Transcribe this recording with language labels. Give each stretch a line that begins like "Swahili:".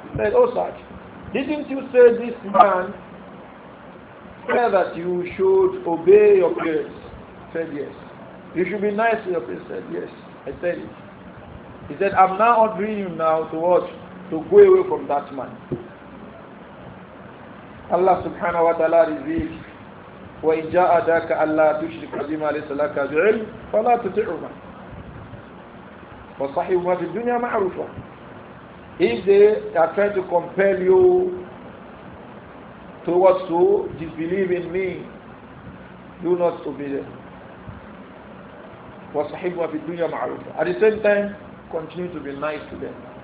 English: He said, oh Sa'd, didn't you say this man said that you should obey your parents? He said, yes. You should be nice to your parents? He said, yes. I said it. He said, I'm now ordering you now to what? To go away from that man.
Arabic: Allah subhanahu wa ta'ala
English: revealed,
Arabic: وَإِنْ جَاءَ دَاكَ أَلَّا تُشْرِكَ بِمَا لَيْسَ لَكَ بِعِلْمٍ فَلَا تُطِعْهُمَا وَصَحِبُهُمَا فِي الدُّنْيَا مَعْرُوفًا.
English: If they are trying to compel you towards to disbelieve in me, do not obey them.
Arabic: وَصَحِبُهُمَا فِي الدُّنْيَا مَعْرُوفًا.
English: At the same time, continue to be nice to them.